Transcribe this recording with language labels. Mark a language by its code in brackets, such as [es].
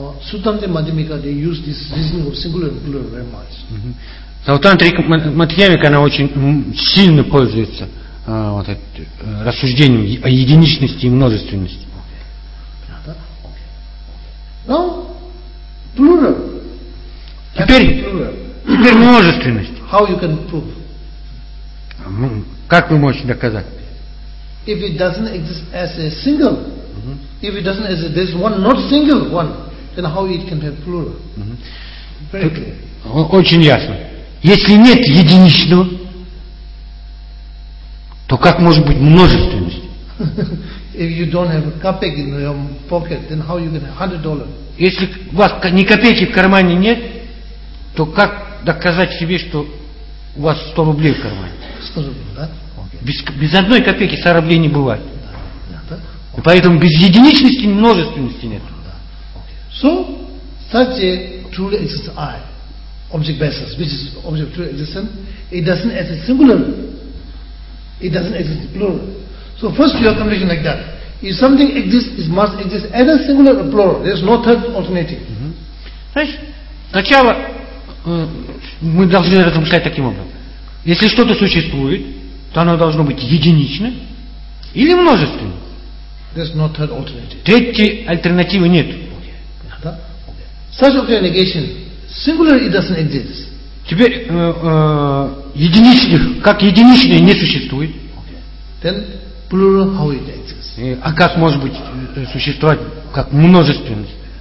[en] Суттанты Мадхьямика, they use this reasoning of singular and plural very much. [ru] Саутантри Мадхьямика, она очень сильно пользуется рассуждением о единичности и множественности. [en] Now, plural. [ru] Теперь множественность. [en] How you can prove? [ru] Как вы можете доказать? [en] If it doesn't exist as a single, if it doesn't exist, there's one, not single one, then how it can have plural? Very clear. [ru] Очень ясно. Если нет единичного, то как может быть множественность? [en] If you don't have a copeck in your pocket, then how you can have $100? [ru] Если у вас ни копейки в кармане нет, то как доказать себе, что у вас 100 рублей в кармане? 100 рублей, да? Без одной копейки 100 рублей не бывает. И поэтому без единичности множественности нет. [en] So, such a truly existent I, object basis, which is object truly existent, it doesn't exist singular. It doesn't exist plural. So first you have conviction like that. If something exists, it must exist either singular or plural. There is no third alternative. [ru] Значит, сначала мы должны размышлять таким образом. Если что-то существует, то оно должно быть единичным или множественным. [en] There's no third alternative. [ru] Третьей альтернативы нет. [en] Such okay negation, singular it doesn't exist. [ru] Теперь единичных, как единичное не существует. [en] Then plural how it exists. [ru] А как может быть существовать как множественность?